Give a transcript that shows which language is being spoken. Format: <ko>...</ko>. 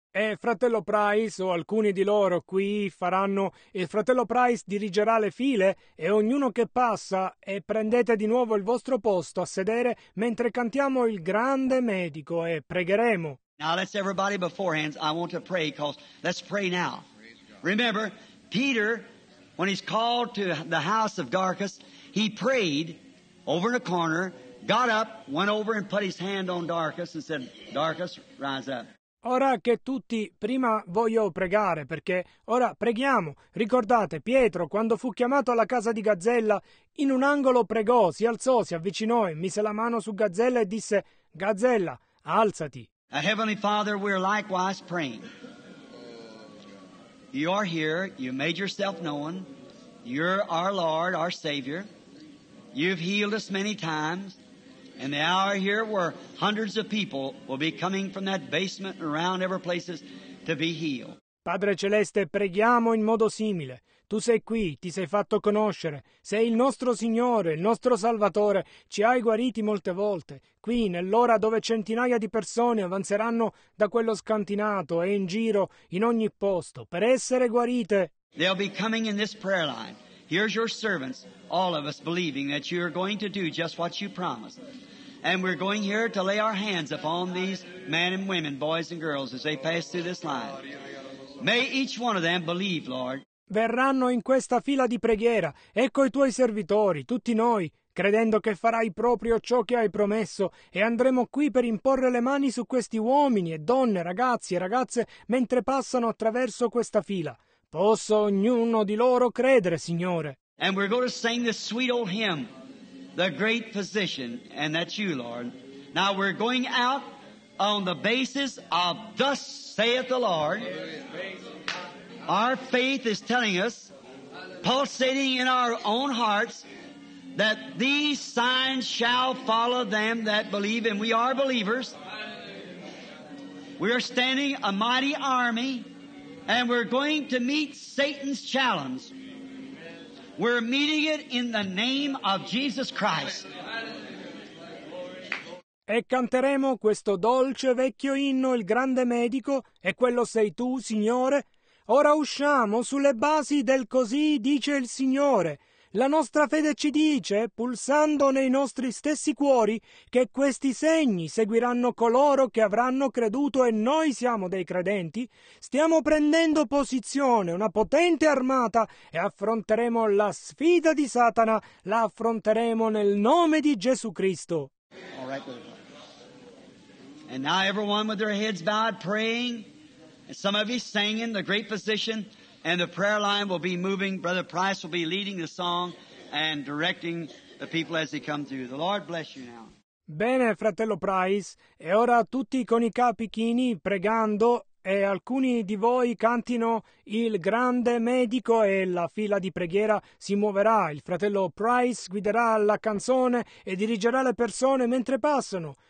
<it>E fratello Price o alcuni di loro qui faranno, il fratello Price dirigerà le file e ognuno che passa e prendete di nuovo il vostro posto a sedere mentre cantiamo il grande medico e pregheremo.</it> <en>Now, let's everybody beforehand, I want to pray, because let's pray now. Remember, Peter, when he's called to the house of Dorcas, he prayed over in a corner, got up, went over and put his hand on Dorcas and said, Dorcas, rise up.</en> <it>Ora che tutti, prima voglio pregare, perché ora preghiamo. Ricordate, Pietro, quando fu chiamato alla casa di Gazzella, in un angolo pregò, si alzò, si avvicinò e mise la mano su Gazzella e disse, Gazzella, alzati.</it> <en>A Heavenly Father, we're likewise praying. You are here, you made yourself known, you're our Lord, our Savior, you've healed us many times, and the hour here where hundreds of people will be coming from that basement and around every places to be healed.</en> <it>Padre Celeste, preghiamo in modo simile. Tu sei qui, ti sei fatto conoscere, sei il nostro Signore, il nostro Salvatore, ci hai guariti molte volte, qui nell'ora dove centinaia di persone avanzeranno da quello scantinato e in giro in ogni posto per essere guarite.</it> <en>They'll be coming in this prayer line. Here's your servants, all of us believing that you're going to do just what you promised. And we're going here to lay our hands upon these men and women, boys and girls, as they pass through this line. May each one of them believe, Lord.</en> <it>Verranno in questa fila di preghiera, ecco i tuoi servitori, tutti noi, credendo che farai proprio ciò che hai promesso, e andremo qui per imporre le mani su questi uomini e donne, ragazzi e ragazze, mentre passano attraverso questa fila. Posso ognuno di loro credere, Signore.</it> <en>And we're going to sing this sweet old hymn, The Great Physician, and that's you, Lord. Now we're going out on the basis of Thus Saith the Lord. Our faith is telling us, pulsating in our own hearts, that these signs shall follow them that believe, and we are believers. We are standing a mighty army, and we're going to meet Satan's challenge. We're meeting it in the name of Jesus Christ.</en> <it>E canteremo questo dolce vecchio inno, il grande medico, e quello sei tu, Signore. Ora usciamo sulle basi del così dice il Signore. La nostra fede ci dice, pulsando nei nostri stessi cuori, che questi segni seguiranno coloro che avranno creduto e noi siamo dei credenti. Stiamo prendendo posizione, una potente armata, e affronteremo la sfida di Satana, la affronteremo nel nome di Gesù Cristo.</it> <en>All right. And now everyone with their heads bowed praying. Some of you singing, the great physician, and the prayer line will be moving. Brother Price will be leading the song and directing the people as they come through. The Lord bless you now.</en> <it>Bene, fratello Price, e ora tutti con i capi chini pregando, e alcuni di voi cantino il grande medico e la fila di preghiera si muoverà. Il fratello Price guiderà la canzone e dirigerà le persone mentre passano.</it>